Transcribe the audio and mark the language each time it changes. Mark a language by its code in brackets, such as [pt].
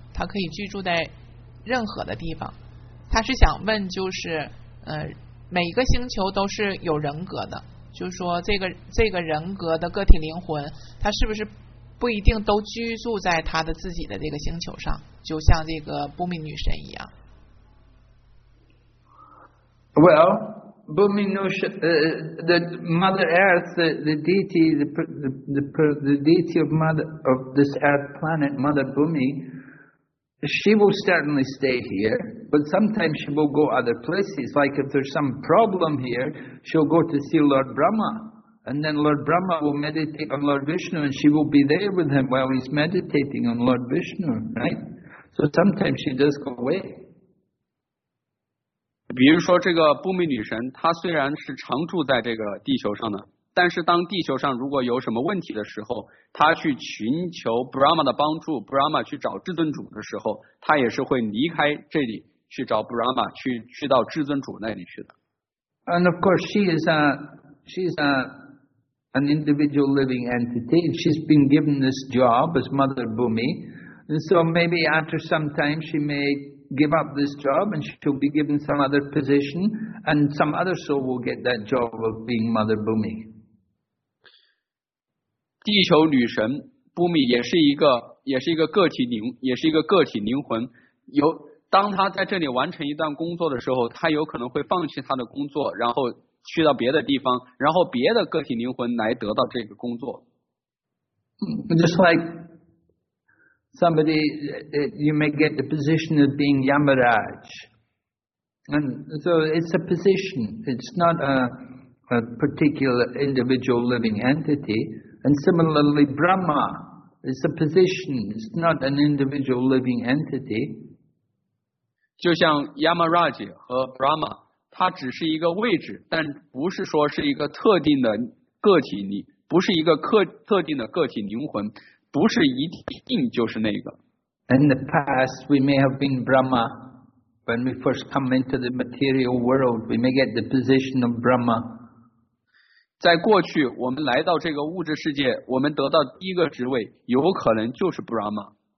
[zh] 她可以居住在任何的地方。他是想问，就是每个星球都是有人格的，就是说这个人格的个体灵魂，他是不是？不一定都居住在他的自己的这个星球上，就像这个波米女神一样。 [en] Well, Bhumi Nusha, the Mother Earth, the deity, the deity of Mother of this Earth planet, Mother Bhumi, she will certainly stay here, but sometimes she will go other places. Like if there's some problem here, she'll go to see Lord Brahma. And then Lord Brahma will meditate on Lord Vishnu, and she will be there with him while he's meditating on Lord Vishnu, right? So sometimes she does go away. [zh] 比如说这个波米女神，她虽然是常住在这个地球上的，但是当地球上如果有什么问题的时候，她去寻求 Brahma 的帮助 ，Brahma 去找至尊主的时候，她也是会离开这里去找 Brahma， 去到至尊主那里去的。 [en] And of course, she is an individual living entity. She's been given this job as Mother Bhumi. And so maybe after some time she may give up this job and she'll be given some other position and some other soul will get that job of being Mother Bhumi. [zh] 地球女神 Bhumi 也是一个个体灵魂。当她在这里完成一段工作的时候，她有可能会放弃她的工作，然后去到别的地方，然后别的个体灵魂来得到这个工作。 [en] Just like somebody, you may get the position of being Yamaraj. And so it's a position, it's not a particular individual living entity. And similarly, Brahma is a position, it's not an individual living entity. [zh] 就像 Yamaraj 和 Brahma。它只是一个位置，但不是说是一个特定的个体，不是一个特定的个体灵魂，不是一定就是那个。 [en] In the past, we may have been Brahma. When we first come into the material world, we may get the position of Brahma. [zh] 在过去，我们来到这个物质世界，我们得到第一个职位，有可能就是 Brahma。